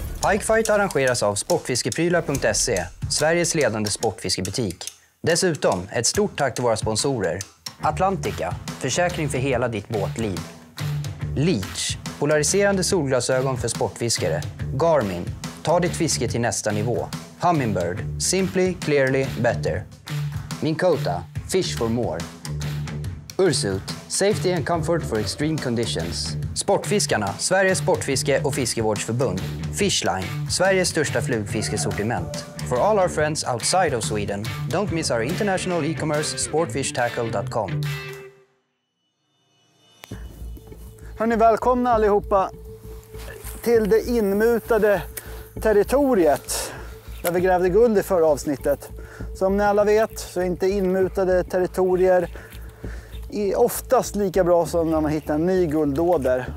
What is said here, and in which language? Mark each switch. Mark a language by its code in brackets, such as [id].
[sv] Pike Fight arrangeras av sportfiskeprylar.se, Sveriges ledande sportfiskebutik. Dessutom ett stort tack till våra sponsorer. Atlantica, försäkring för hela ditt båtliv. Leach, polariserande solglasögon för sportfiskare. Garmin, ta ditt fiske till nästa nivå. [en] Hummingbird, simply, clearly, better. Minkota, fish for more. Ursut, safety and comfort for extreme conditions. [sv] Sportfiskarna, Sveriges sportfiske- och fiskevårdsförbund. Fishline, Sveriges största flugfiskesortiment. [en] For all our friends outside of Sweden, don't miss our international e-commerce sportfishtackle.com. [sv] Hörrni, välkomna allihopa till det inmutade territoriet där vi grävde guld i förra avsnittet. Som ni alla vet så är inte inmutade territorier är oftast lika bra som när man hittar en ny guldåder.